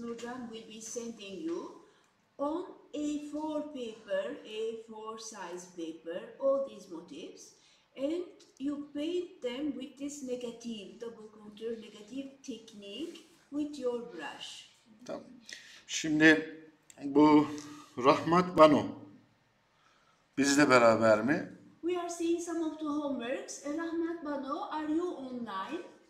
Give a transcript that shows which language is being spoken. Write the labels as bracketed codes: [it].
[en] Nurcan will be sending you on A4 paper, A4 size paper, all these motifs, and you paint them with this negative, double contour negative technique with your brush. [tr] Tamam. Şimdi bu Rahmat Banu bizle beraber mi? [en] We are seeing some of the homeworks. Rahmat Banu, are you online?